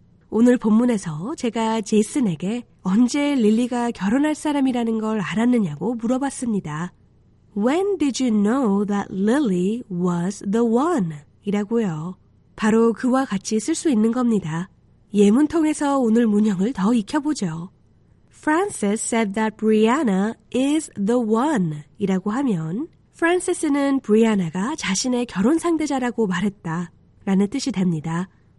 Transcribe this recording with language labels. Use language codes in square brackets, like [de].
[ko] 오늘 본문에서 제가 제이슨에게 언제 릴리가 결혼할 사람이라는 걸 알았느냐고 물어봤습니다. [en] When did you know that Lily was the one? [ko] 이라고요. 바로 그와 같이 쓸 수 있는 겁니다. 예문 통해서 오늘 문형을 더 익혀보죠. [en] Frances said that Brianna is the one [ko] 이라고 하면 Frances는 브리아나가 자신의 결혼 상대자라고 말했다 라는 뜻이 됩니다.